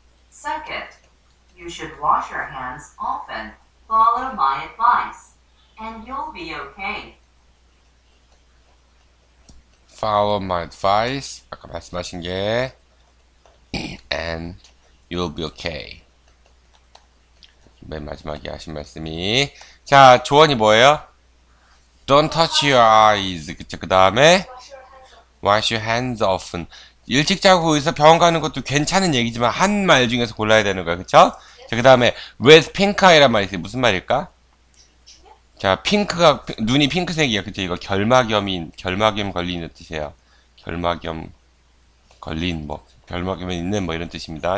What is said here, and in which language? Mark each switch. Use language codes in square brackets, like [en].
[en] Second, you should wash your hands often. Follow my advice, and you'll be okay. Follow my advice. [ko] 아까 말씀하신 게, [en] and you'll be okay. [ko] 맨 마지막에 하신 말씀이. 자, 조언이 뭐예요? [en] Don't touch your eyes. [ko] 그쵸. 그 다음에, [en] wash your hands often. [ko] 일찍 자고 의사 병원 가는 것도 괜찮은 얘기지만, 한말 중에서 골라야 되는 거야. 그쵸? 자, 그 다음에, [en] with pink eye [ko] 란 말이 있어요. 무슨 말일까? 자, 눈이 핑크색이야. 그쵸? 이거 결막염 걸린 뜻이에요. 결막염 걸린, 뭐, 결막염에 있는 뭐 이런 뜻입니다.